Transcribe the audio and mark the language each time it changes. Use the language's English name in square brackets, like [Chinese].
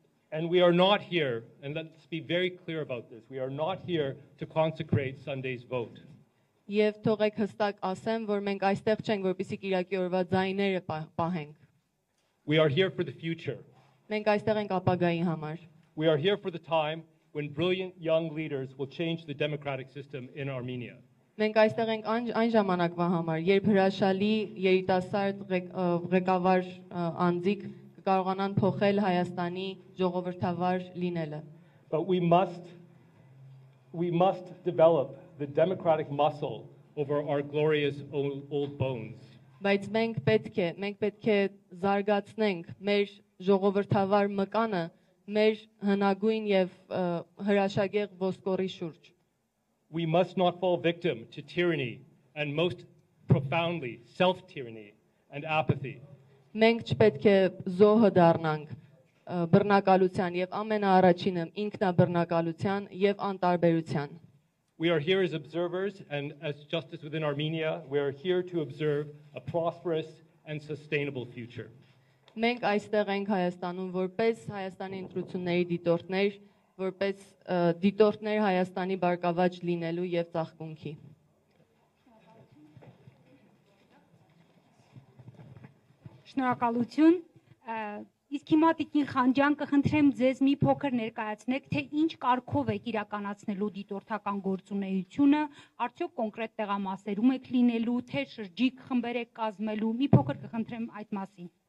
[English] And we are not here, and let's be very clear about this. We are not here to consecrate Sunday's vote. [Armenian] Եվ թողեք հստակ ասեմ, որ մենք այստեղ չենք, որպեսզի կիրակի օրվա ձայները պահենք։ [English] We are here for the future. [Armenian] Մենք այստեղ ենք ապագայի համար։ [English] We are here for the time when brilliant young leaders will change the democratic system in Armenia. [Armenian] Մենք այստեղ ենք այն ժամանակվա համար, երբ հրաշալի երիտասարդ ղեկավար անձիկ կարողանան փոխել Հայաստանի ժողովրդավար լինելը։ [English] But we must develop the democratic muscle over our glorious old bones. [Armenian] Բայց մենք պետք է զարգացնենք մեր ժողովրդավար մկանը մեր հնագույն եւ հրաշագեղ ոսկորի շուրջ։ [English] We must not fall victim to tyranny and most profoundly self-tyranny and apathy. [Armenian] Մենք չպետք է զոհը դառնանք բռնակալության եւ ամենաառաջինը ինքնաբռնակալության եւ անտարբերության։ [English] We are here as observers and as justice within Armenia, we are here to observe a prosperous and sustainable future. [Armenian] Մենք այստեղ ենք Հայաստանում որպես Հայաստանի ընտրությունների դիտորդներ, որպես դիտորդներ Հայաստանի բարգավաճ լինելու եւ ծաղկունքի։ Շնորհակալություն։ Իսկ հիմա Տիկին Խանջյան, կխնդրեմ ձեզ մի փոքր ներկայացնեք, թե ինչ կարգով եք իրականացնելու դիտորդական գործունեությունը, արդյոք կոնկրետ տեղամասերում եք լինելու, թե շրջիկ խմբեր եք կազմելու, մի փոքր կխնդրեմ այդ մասին։